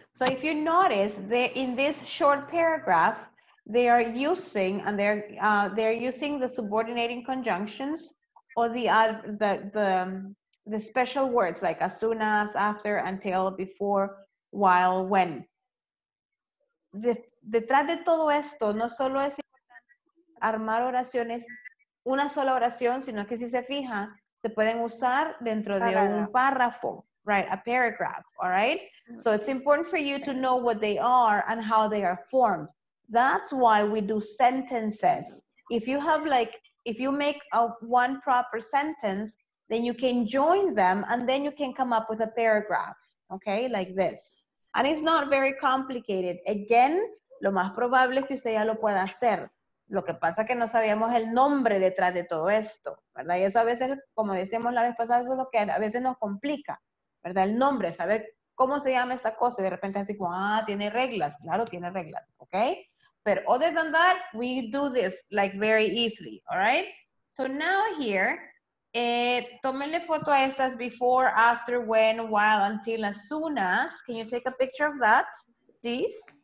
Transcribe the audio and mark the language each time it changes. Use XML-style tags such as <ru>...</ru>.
<en>So if you notice, in this short paragraph, they are using they're using the subordinating conjunctions or the special words like as soon as, after, until, before, while, when.</en> <es>Detrás de todo esto no solo es importante armar oraciones, una sola oración, sino que si se fija, se pueden usar dentro de un párrafo,</es> <en>right, a paragraph, all right? So it's important for you to know what they are and how they are formed. That's why we do sentences. If you have like, if you make a one proper sentence, then you can join them and then you can come up with a paragraph, okay? Like this. And it's not very complicated. Again,</en> <es>lo más probable es que usted ya lo pueda hacer. Lo que pasa es que no sabíamos el nombre detrás de todo esto, ¿verdad? Y eso a veces, como decíamos la vez pasada, eso es lo que a veces nos complica, ¿verdad? El nombre, saber cómo se llama esta cosa. Y de repente así como, ah, tiene reglas. Claro, tiene reglas, okay?</es> <en>But other than that, we do this like very easily, all right? So now here,</en> <es>tómenle foto a estas</es> <en>before, after, when, while, until, as soon as. Can you take a picture of that, please?</en>